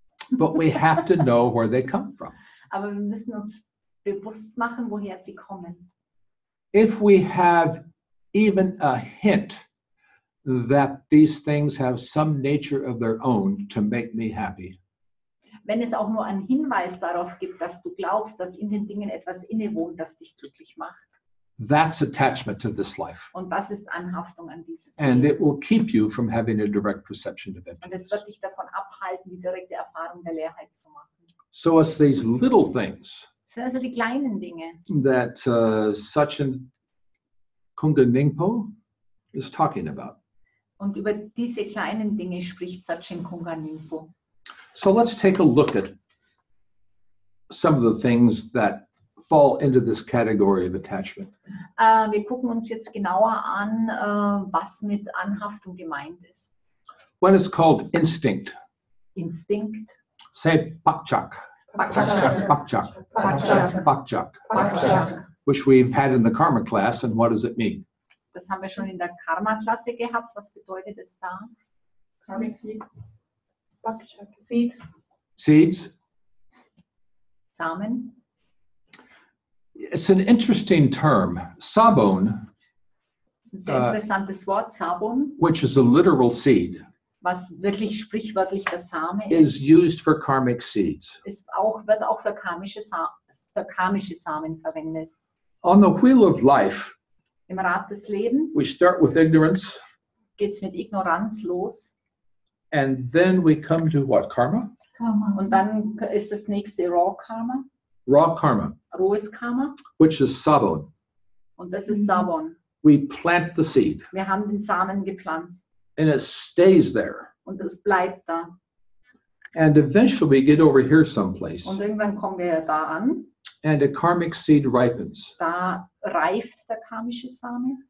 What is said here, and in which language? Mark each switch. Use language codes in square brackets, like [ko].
[en] But we have to know where they come from. [de] Aber wir müssen uns bewusst machen, woher sie kommen. [en] If we have even a hint that these things have some nature of their own to make me happy. [de] Wenn es auch nur einen Hinweis darauf gibt, dass du glaubst, dass in den Dingen etwas innewohnt, das dich glücklich macht. [en] That's attachment to this life. [de] Und das ist Anhaftung an dieses Leben. [en] And it will keep you from having a direct perception of emptiness. [de] Und es wird dich davon abhalten, die direkte Erfahrung der Leerheit zu machen. [en] So it's these little things. [de] Das sind also die kleinen Dinge. [en] That Sachin Kungan Ningpo is talking about. [de] Und über diese kleinen Dinge spricht Sachin Kungan Ningpo. [en] So let's take a look at some of the things that fall into this category of attachment. [de] Wir gucken uns jetzt genauer an, was mit Anhaftung gemeint ist. [en] one is called instinct. Instinct. Say Bakchak. Bakchak. Bakchak. Which we've had in the karma class, and what does it mean? [de] Das haben wir schon in der Karma-Klasse gehabt. Was bedeutet es da? [en] Karmic seeds. Seeds. [de] Samen. [en] It's an interesting term. Sabon. [de] Interessantes Wort, Sabon. [en] Which is a literal seed. [de] Was wirklich sprichwörtlich der Same ist. [en] Is used for karmic seeds. [de] Wird auch für karmische Samen verwendet. [en] On the wheel of life, [de] im Rad des Lebens, [en] we start with ignorance. [de] Geht's mit Ignoranz los. [en] And then we come to what? Karma? Karma. [de] Und dann ist das nächste Raw Karma. [en] Raw Karma. [de] Rohes Karma. [en] Which is Sabon. [de] Und das ist Sabon. [en] We plant the seed. [de] Wir haben den Samen gepflanzt. [en] And it stays there. [de] Und es bleibt da. [en] And eventually we get over here someplace. [de] Und irgendwann kommen wir da an. [en] And a karmic seed ripens. [de] Da reift der karmische Same.